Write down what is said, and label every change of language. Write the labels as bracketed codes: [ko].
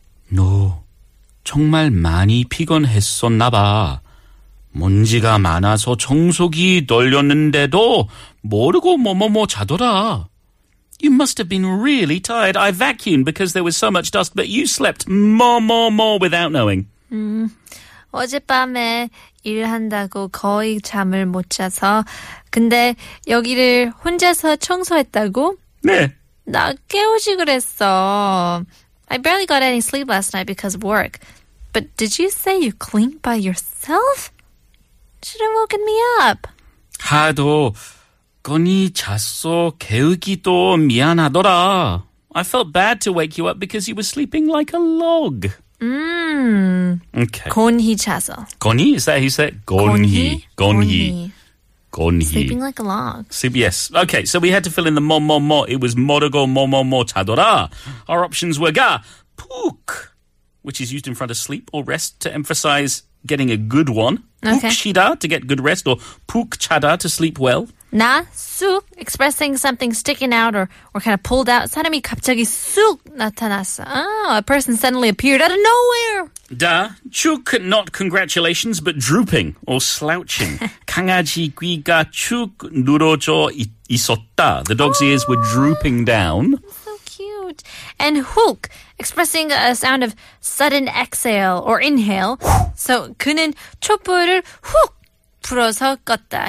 [ko] No, 정말 많이 피곤했었나 봐. 먼지가 많아서 청소기 돌렸는데도 모르고 뭐뭐뭐 자더라. [en] You must have been really tired. I vacuumed because there was so much dust, but you slept mo-mo-mo without knowing. [ko] 어젯밤에 일한다고 거의 잠을 못 자서 근데 여기를 혼자서 청소했다고? 네. 나 깨우지 그랬어. [en] I barely got any sleep last night because of work. But did you say you cleaned by yourself? Should have woken me up. [ko] 하도 거니 잤어 깨우기도 미안하더라. [en] I felt bad to wake you up because you were sleeping like a log. Okay. [ko] 곤히 자서. [en] 곤히? Is that how you say it? [ko] 곤히. 곤히. 곤히. [en] Sleeping like a log. Yes. Okay, so we had to fill in the 뭐뭐뭐. It was [ko] 모르고 뭐뭐뭐 자더라. [en] Our options were 가, 푹, which is used in front of sleep or rest to emphasize getting a good one. Okay. [ko] 푹 쉬다, [en] to get good rest, or [ko] 푹 자다, [en] to sleep well. 나 쑥, expressing something sticking out or kind of pulled out. [ko] 사람이 갑자기 쑥 나타났어. [en] Oh, a person suddenly appeared out of nowhere. 다, 쭉, not congratulations, but drooping or slouching. [ko] 강아지 귀가 쭉 늘어져 있었다. [en] The dog's ears were drooping down. And hook, expressing a sound of sudden exhale or inhale. [ko] So 그는 촛불을 훅 불어서 껐다.